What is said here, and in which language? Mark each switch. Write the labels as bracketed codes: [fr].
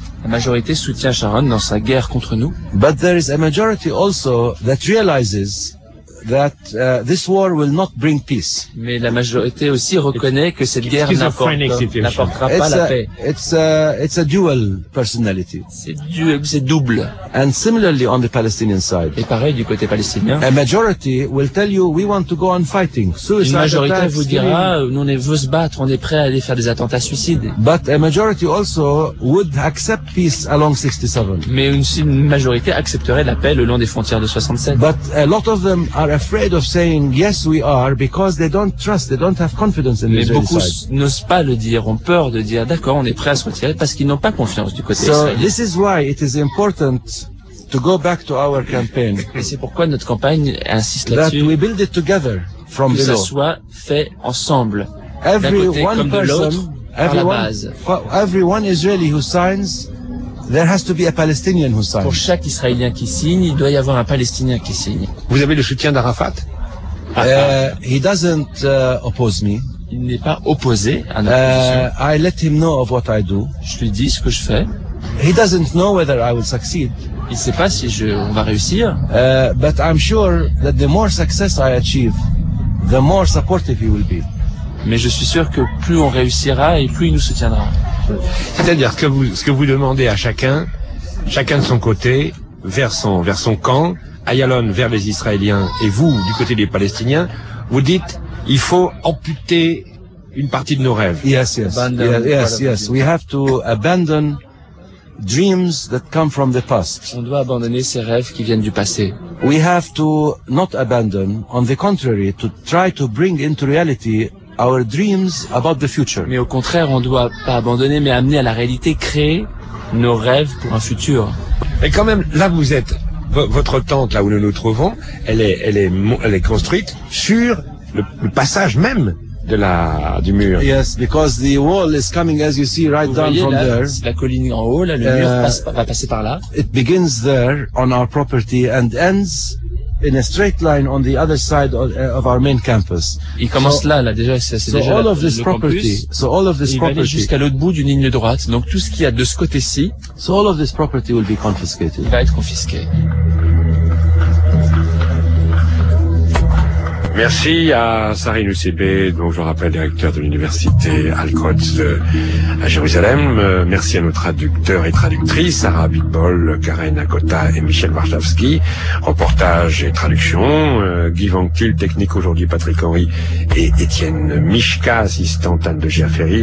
[fr] La majorité soutient Sharon dans sa guerre contre nous. [en] But there is a majority also that realizes that this war will not bring peace. [fr] Mais la majorité aussi reconnaît que cette guerre n'apportera pas la paix. [en] It's a dual personality. [fr] C'est double. [en] And similarly on the Palestinian side. [fr] Et pareil du côté palestinien. [en] A majority will tell you we want to go on fighting. [fr] Une majorité vous dira nous on veut se battre, on est prêt à aller faire des attentats suicides. [en] But a majority also would accept peace along 67. [fr] Mais une majorité accepterait la paix le long des frontières de 67. [en] But a lot of them are afraid of saying yes we are because they don't trust, they don't have confidence in the Israeli side. [fr] Mais beaucoup n'osent pas le dire, ont peur de dire d'accord, on est prêt à se retirer parce qu'ils n'ont pas confiance du côté israélien. [en] So this is why it is important to go back to our campaign. [fr] Et c'est pourquoi notre campagne insiste là-dessus. [en] That we build it together from [fr] que [en] below. [fr] Que ça soit fait ensemble. [en] Every one person, every one Israeli who signs, there has to be a Palestinian who signs. [fr] Pour chaque Israélien qui signe, il doit y avoir un Palestinien qui signe. Vous avez le soutien d'Arafat? [en] He doesn't oppose me. [fr] Il n'est pas opposé à notre [en] position. I let him know of what I do. [fr] Je lui dis ce que je fais. [en] He doesn't know whether I will succeed. [fr] Il ne sait pas si on va réussir. [en] But I'm sure that the more success I achieve, the more supportive he will be. [fr] Mais je suis sûr que plus on réussira et plus il nous soutiendra. C'est-à-dire que ce que vous demandez à chacun de son côté, vers son camp, Ayalon vers les Israéliens et vous du côté des Palestiniens, vous dites il faut amputer une partie de nos rêves. [en] Yes. We have to abandon dreams that come from the past. [fr] On doit abandonner ces rêves qui viennent du passé. [en] We have to not abandon, on the contrary, to try to bring into reality our dreams about the future. [fr] Mais au contraire, on doit pas abandonner, mais amener à la réalité, créer nos rêves pour un futur. Et quand même, là vous êtes, votre tente, là où nous nous trouvons, elle est construite sur le passage même du mur. [en] Yes, because the wall is coming, as you see, right [fr] vous [en] down [fr] voyez, [en] from [fr] là, [en] there. [fr] La colline en haut, là, le mur va passer par là. [en] It begins there on our property and ends in a straight line on the other side of our main campus. [fr] Il commence so, là déjà, c'est déjà [en] all of this property, campus. So all of this property. [fr] Il va aller jusqu'à l'autre bout d'une ligne droite. Donc tout ce qu'il y a de ce côté-ci. [en] So all of this property will be confiscated. [fr] Il va être confisqué. Merci à Sari Nusseibé, donc je rappelle directeur de l'université Al-Quds à Jérusalem. Merci à nos traducteurs et traductrices, Sarah Bitbol, Karen Akota et Michel Warszawski. Reportage et traduction, Guy Vanctil, technique aujourd'hui Patrick Henry et Étienne Mishka, assistante Anne de Giaferi.